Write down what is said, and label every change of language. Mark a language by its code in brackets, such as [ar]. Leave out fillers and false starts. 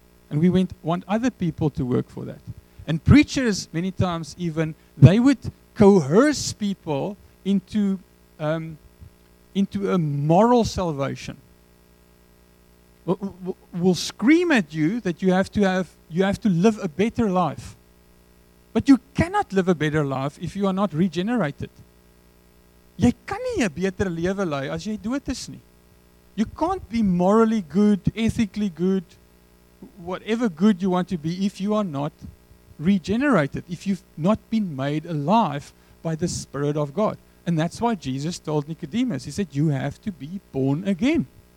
[en] And we want other people to work for that. And preachers, many times even, they would coerce people into a moral salvation. We'll scream at you that you have to live a better life. But you cannot live a better life if you are not regenerated. [af] Jy kan nie 'n beter lewe lei as jy dood is nie. [en] You can't be morally good, ethically good, whatever good you want to be, if you are not regenerated, if you've not been made alive by the Spirit of God. And that's why Jesus told Nicodemus, he said, you have to be born again.